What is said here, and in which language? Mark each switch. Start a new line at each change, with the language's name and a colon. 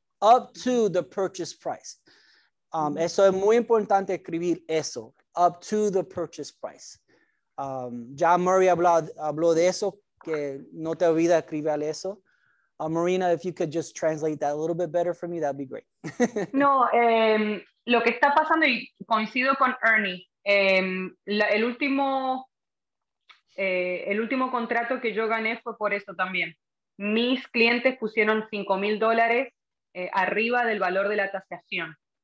English: Up to the purchase price.
Spanish: Eso es muy importante escribir eso.
English: Up to the purchase price.
Spanish: John Murray habló de eso, que no te olvides escribir eso.
English: Marina, if you could just translate that a little bit better for me, that'd be great.
Spanish: No, lo que está pasando, y coincido con Ernie, el último contrato que yo gané fue por eso también. Mis clientes pusieron $5,000 arriba del valor de la tasación.